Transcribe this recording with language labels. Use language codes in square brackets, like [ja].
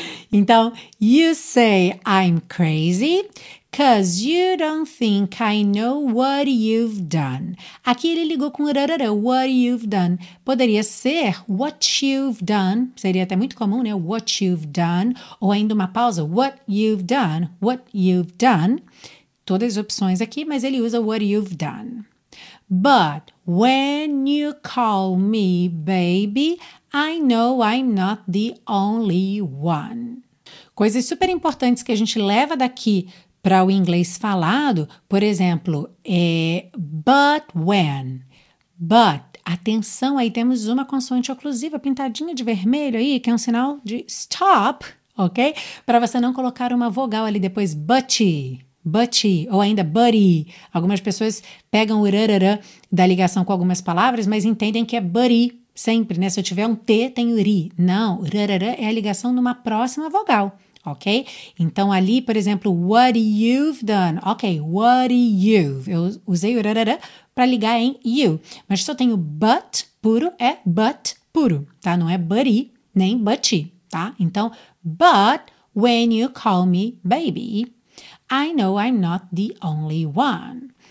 [en] Então, you say I'm crazy, 'cause you don't think I know what you've done. [pt] Aqui ele ligou com rarara, what you've done. Poderia ser what you've done, seria até muito comum, né? [en] What you've done, ou ainda uma pausa, what you've done, what you've done. Todas as opções aqui, mas ele usa what you've done. But when you call me baby, I know I'm not the only one. [pt] Coisas super importantes que a gente leva daqui para o inglês falado, por exemplo, but when, but, atenção aí, temos uma consoante oclusiva pintadinha de vermelho aí, que é um sinal de stop, ok? Para você não colocar uma vogal ali depois, butty, ou ainda buddy. Algumas pessoas pegam o rarara da ligação com algumas palavras, mas entendem que é buddy sempre, né? Se eu tiver um T, tem o ri. Não, rarara é a ligação numa próxima vogal. ok? [en] Então, ali, por exemplo, what you've done. Ok, what you've. [pt] Eu usei o rarara para ligar em you. Mas se eu tenho but puro, é but puro, tá? Não é buddy, nem butty, tá? [en] Então, but when you call me baby, I know I'm not the only one.